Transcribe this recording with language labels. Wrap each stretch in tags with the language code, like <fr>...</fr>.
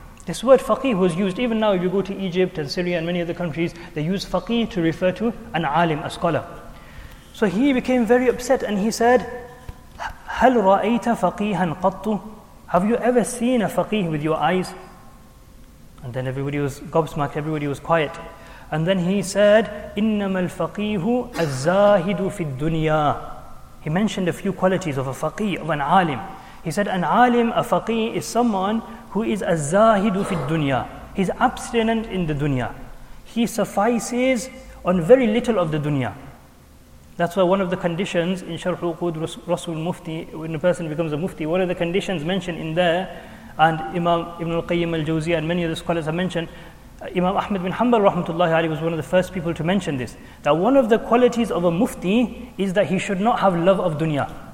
<en>This word faqih was used, even now if you go to Egypt and Syria and many other countries, they use faqih to refer to an alim, a scholar. So he became very upset and he said,</en> <ar>هَلْ رَأَيْتَ فَقِيهًا قَطُّ.</ar> <en>Have you ever seen a faqih with your eyes? And then everybody was gobsmacked, everybody was quiet. And then he said,</en> <ar>إِنَّمَا الْفَقِيهُ الزَّاهِدُ فِي الدُّنْيَا.</ar> <en>He mentioned a few qualities of a faqih, of an alim. He said, an alim, a faqih, is someone who is a zahidu fi dunya. He's abstinent in the dunya. He suffices on very little of the dunya. That's why one of the conditions in Sharh al-Uqud Rasul Mufti, when a person becomes a mufti, one of the conditions mentioned in there, and Imam Ibn al-Qayyim al-Jawziyyah and many of the scholars have mentioned, Imam Ahmad bin Hanbal rahmatullahi alayhi was one of the first people to mention this, that one of the qualities of a mufti is that he should not have love of dunya.</en>